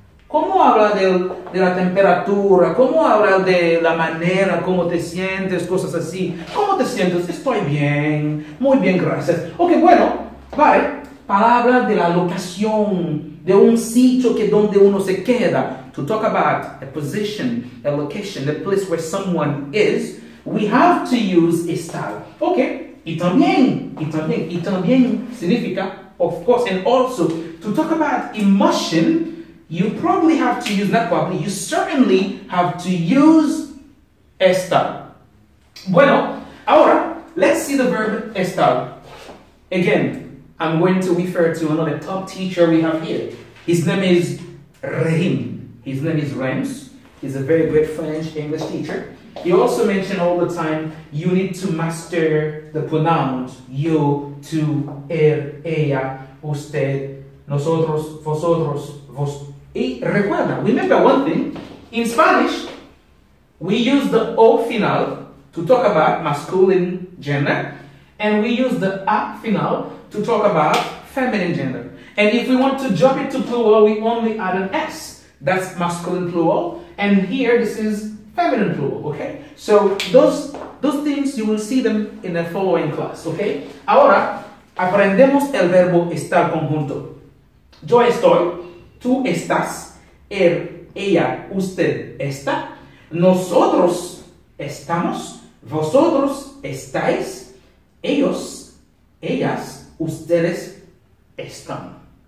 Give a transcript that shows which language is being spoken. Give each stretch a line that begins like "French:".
Spanish: ¿Cómo habla de la temperatura? ¿Cómo habla de la manera? ¿Cómo te sientes? Cosas así. ¿Cómo te sientes? Estoy bien. Muy bien, gracias. Ok, bueno. Vale. Palabra de la locación. De un sitio que donde uno se queda.
English: To talk about a position, a location, a place where someone is, we have to use estar. Ok.
Spanish: Y también significa,
English: of course, and also, to talk about emotion, you probably have to use, not probably, you certainly have to use estar.
Spanish: Bueno, ahora,
English: let's see the verb estar. Again, I'm going to refer to another top teacher we have here. His name is Rahim. His name is Rems. He's a very great French-English teacher. He also mentioned all the time, you need to master the pronouns.
Spanish: Yo, tú, él, ella, usted, nosotros, vosotros, vos. Y recuerda,
English: remember one thing. In Spanish, we use the O final to talk about masculine gender. And we use the A final to talk about feminine gender. And if we want to jump it to plural, we only add an S. That's masculine plural. And here, this is feminine plural, okay? So, those things, you will see them in the following class, okay?
Spanish: Ahora, aprendemos el verbo estar conjunto. Yo estoy, tú estás, él, ella, usted está, nosotros estamos, vosotros estáis, ellos, ellas, ustedes están.